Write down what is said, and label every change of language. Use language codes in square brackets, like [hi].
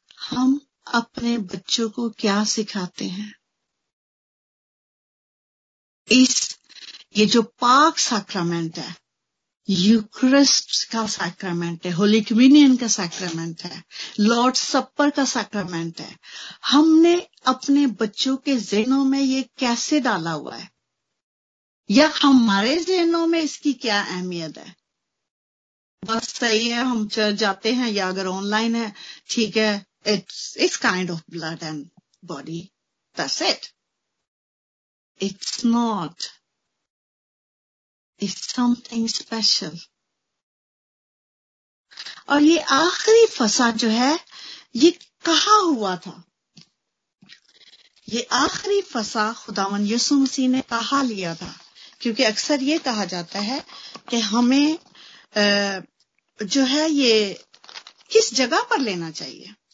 [ur] ہم اپنے بچوں کو کیا سکھاتے ہیں؟ اس یہ جو پاک ساکرامنٹ ہے, یوکرسٹ کا ساکرامنٹ ہے, ہولی کمیونین کا ساکرامنٹ ہے, لارڈ سپر کا ساکرامنٹ ہے, ہم نے اپنے بچوں کے ذہنوں میں یہ کیسے ڈالا ہوا ہے؟ یا ہمارے ذہنوں میں اس کی کیا اہمیت ہے؟ بس صحیح ہے ہم چرچ جاتے ہیں, یا اگر آن لائن ہے ٹھیک ہے, [en] It's kind of blood and body, that's it. [ur] It's not, [en] is something special. [ur] اور یہ آخری فسا جو ہے یہ کہاں ہوا تھا؟ یہ آخری فسا خداوند یسوع مسیح نے کہاں لیا تھا؟ کیونکہ اکثر یہ کہا جاتا ہے کہ ہمیں جو ہے یہ کس جگہ پر لینا چاہیے.